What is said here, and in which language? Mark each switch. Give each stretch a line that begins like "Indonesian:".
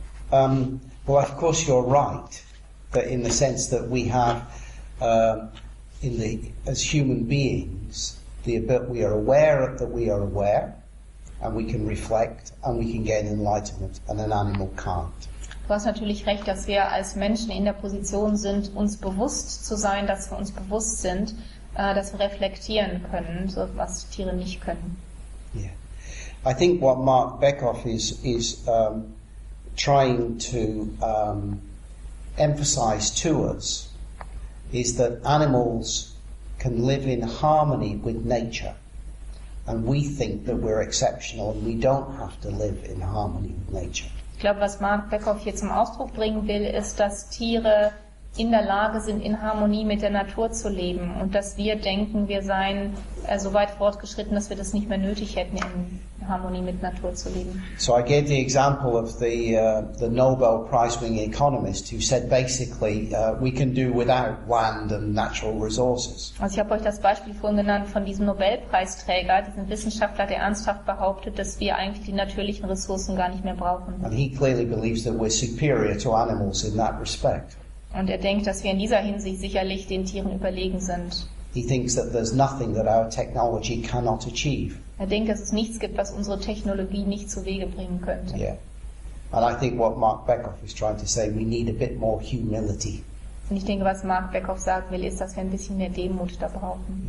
English: Well, of course you're right, that in the sense that we have, as human beings, we are aware that we are aware, and we can reflect, and we can gain enlightenment, and an animal can't.
German: Du hast natürlich recht, dass wir als Menschen in der Position sind, uns bewusst zu sein, dass wir uns bewusst sind, dass wir reflektieren können, so was Tiere nicht können.
English: Yeah. I think what Mark Beckhoff is trying to emphasize to us is that animals can live in harmony with nature. And we think that we're exceptional and we don't have to live in harmony with nature.
German: Ich glaube, was Mark Beckhoff hier zum Ausdruck bringen will, ist, dass Tiere in der Lage sind, in Harmonie mit der Natur zu leben und dass wir denken, wir seien so weit fortgeschritten, dass wir das nicht mehr nötig hätten, in Harmonie mit Natur zu leben.
English: So I gave the example of the Nobel Prize-winning economist who said basically, we can do without land and natural resources.
German: Also ich habe euch das Beispiel vorhin genannt von diesem Nobelpreisträger, diesem Wissenschaftler, der ernsthaft behauptet, dass wir eigentlich die natürlichen Ressourcen gar nicht mehr brauchen.
English: And he clearly believes that we're superior to animals in that respect.
German: Und er denkt, dass wir in dieser Hinsicht sicherlich den Tieren überlegen sind.
English: He thinks that there's nothing that our technology cannot achieve.
German: Er denkt, dass es nichts gibt, was unsere Technologie nicht zu Wege bringen könnte.
English: Yeah. And I think what Mark Beckhoff is trying to say, we need a bit more humility.
German: Und ich denke, was Mark Beckhoff sagen will, ist, dass wir ein bisschen mehr Demut da brauchen.